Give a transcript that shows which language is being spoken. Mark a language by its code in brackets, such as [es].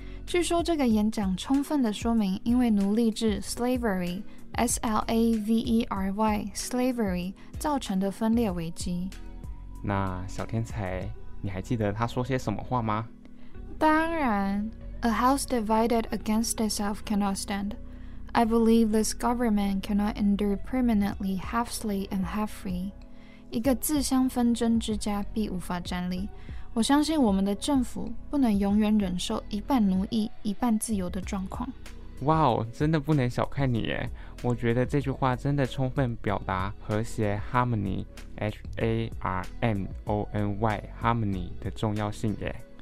[zh] 据说这个演讲充分的说明，因为奴隶制 Slavery S-L-A-V-E-R-Y Slavery 造成的分裂危机。那小天才，你还记得他说些什么话吗？当然 [en] ，A house divided against itself cannot stand. I believe this government cannot endure permanently half slave and half free. [zh] 一个自相纷争之家必无法站立。我相信我们的政府不能永远忍受一半奴役一半自由的状况。哇哦，真的不能小看你耶！我觉得这句话真的充分表达和谐 harmony H-A-R-M-O-N-Y harmony 的重要性耶。